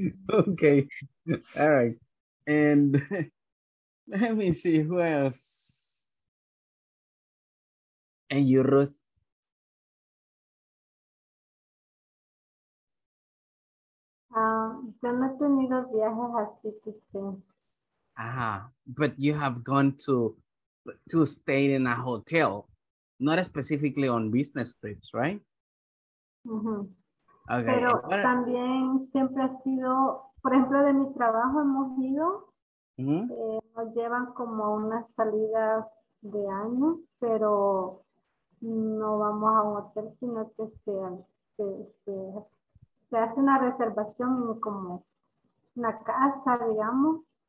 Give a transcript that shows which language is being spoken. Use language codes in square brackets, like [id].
[en] Ok, all right. And let me see who else. And you, Ruth. [es] Yo no he tenido viajes así que sí. [en] Ajá, but you have gone to stay in a hotel, not specifically on business trips, right? Mm-hmm. Okay. [es] Pero what también siempre ha sido, por ejemplo, de mi trabajo hemos ido, nos llevan como una salida de año, pero no vamos a un hotel, sino que se hace una reservación como una casa, digamos.